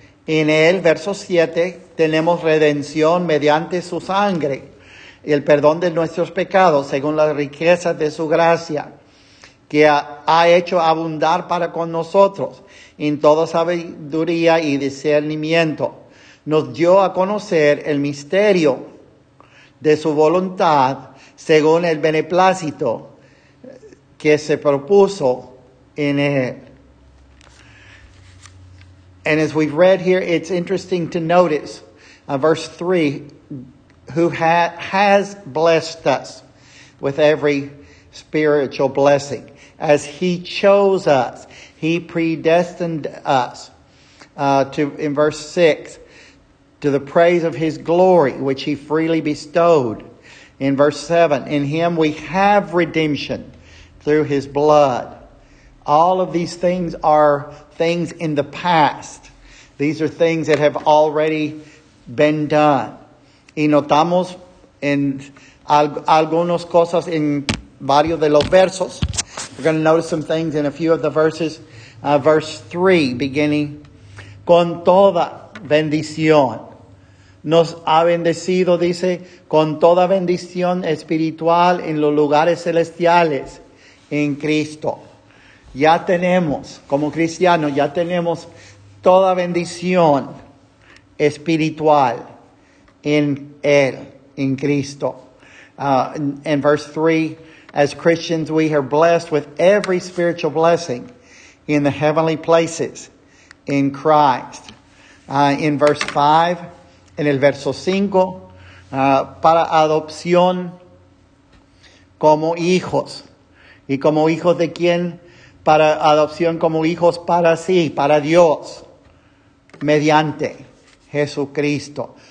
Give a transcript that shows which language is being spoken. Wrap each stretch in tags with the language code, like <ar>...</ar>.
<es>En él, verso 7, tenemos redención mediante su sangre, el perdón de nuestros pecados, según las riquezas de su gracia, que ha hecho abundar para con nosotros en toda sabiduría y discernimiento. Nos dio a conocer el misterio de su voluntad, según el beneplácito que se propuso en él.</es> <en>And as we've read here, it's interesting to notice, verse 3, who has blessed us with every spiritual blessing. As he chose us, he predestined us in verse 6, to the praise of his glory, which he freely bestowed. In verse 7, in him we have redemption through his blood. All of these things are things in the past. These are things that have already been done.</en> <es>Y notamos en algunas cosas en varios de los versos.</es> <en>We're going to notice some things in a few of the verses. Verse 3, beginning.</en> <es>Con toda bendición. Nos ha bendecido, dice, con toda bendición espiritual en los lugares celestiales en Cristo. Ya tenemos, como cristianos, ya tenemos toda bendición espiritual en Él, en Cristo.</es> <en>In verse 3, as Christians, we are blessed with every spiritual blessing in the heavenly places in Christ. In verse 5,</en> <es>en el verso 5, para adopción como hijos. ¿Y como hijos de quién? Para adopción como hijos para sí, para Dios, mediante Jesucristo.</es>